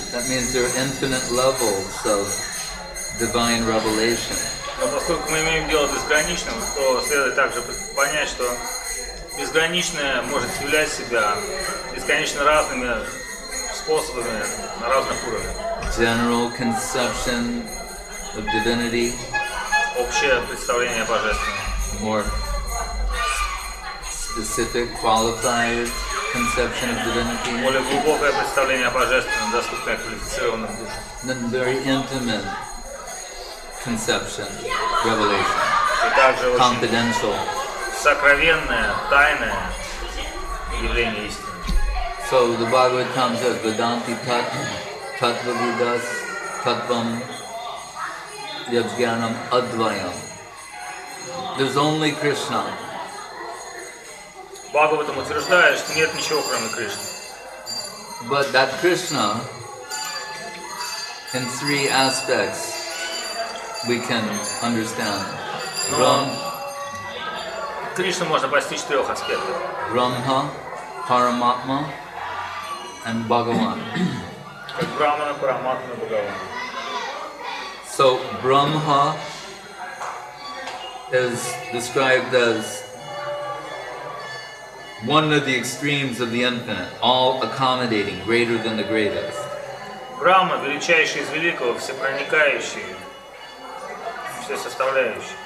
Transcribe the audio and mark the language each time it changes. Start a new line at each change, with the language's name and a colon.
English: That means there are infinite levels of divine revelation.
Russian: Но поскольку мы имеем дело с безграничным, то следует также понять, что безграничное может являть себя бесконечно разными способами на разных уровнях.
English: General conception of divinity.
Russian: Общее представление о божественном.
English: More specific, qualified conception of divinity.
Russian: Более глубокое представление о божественном, доступное квалифицированным душам.
English: Then very intimate conception, revelation.
Russian: И также
English: confidential.
Russian: Сокровенное, тайное явление истины.
English: So the Bhagavatam says
Sanskrit: Vedanti Tattva Vidas Tattvam Yajnanam Advayam.
English: There's only Krishna.
Russian: Бхагаватам утверждает, что нет ничего кроме Кришны.
English: But that Krishna, in three aspects, we can understand.
Russian: Кришну можно постичь в трех аспектах.
English: Брахма, Параматма, and Бхагаван.
Russian: Как Брахмана, Параматма, Бхагаван.
English: So Brahma is described as one of the extremes of the infinite, all accommodating, greater than the greatest.
Russian: Brahma, величайший из великого, всепроникающий, всесоставляющий.